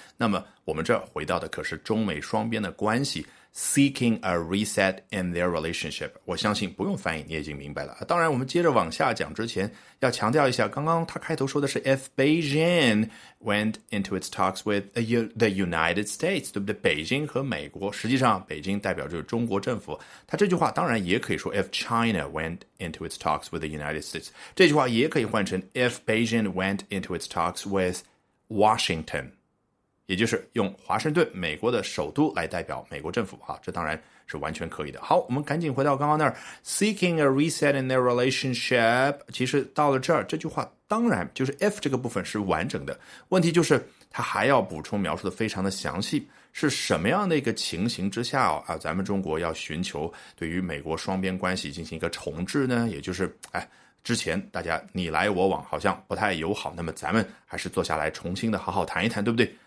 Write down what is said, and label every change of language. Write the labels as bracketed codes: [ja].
[zh] 那么我们这回到的可是中美双边的关系， [en] seeking a reset in their relationship。 [zh] 我相信不用翻译你已经明白了。当然我们接着往下讲之前要强调一下，刚刚他开头说的是 [en] if Beijing went into its talks with the United States， [zh] 对不对？北京和美国，实际上北京代表就是中国政府。他这句话当然也可以说 [en] if China went into its talks with the United States， [zh] 这句话也可以换成 [en] if Beijing went into its talks with Washington， [zh] 也就是用华盛顿美国的首都来代表美国政府啊，这当然是完全可以的。好，我们赶紧回到刚刚那儿 , [en] seeking a reset in their relationship, [zh] 其实到了这儿这句话当然就是 if 这个部分是完整的。问题就是他还要补充描述的非常的详细，是什么样的一个情形之下啊，咱们中国要寻求对于美国双边关系进行一个重置呢，也就是哎之前大家你来我往好像不太友好，那么咱们还是坐下来重新的好好谈一谈，对不对？